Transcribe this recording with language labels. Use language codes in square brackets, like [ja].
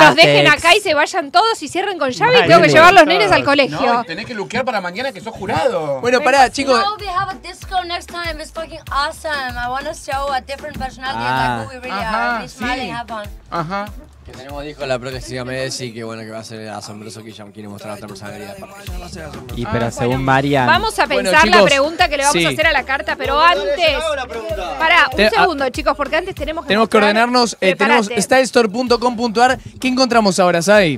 [es] Que los dejen acá y se vayan todos y cierren con llave. Y tengo que llevar los nenes al colegio. No, tenés que lookear para mañana que sos jurado. Bueno, pará, chicos. [en] No, we have a disco next time. It's fucking awesome. I want to show a different personality like who we really [es] ajá, [en] are. It's smiling, [es] sí. Ajá. Que tenemos disco la próxima Messi, que bueno, que va a ser asombroso, que ya quiere mostrar otra personalidad. Y pero según Marian... Vamos a pensar, bueno, chicos, la pregunta que le vamos, sí, a hacer a la carta, pero no, antes... Pará, un segundo, chicos, porque antes tenemos que... Tenemos que ordenarnos, tenemos stylestore.com.ar. ¿Qué encontramos ahora, Zay?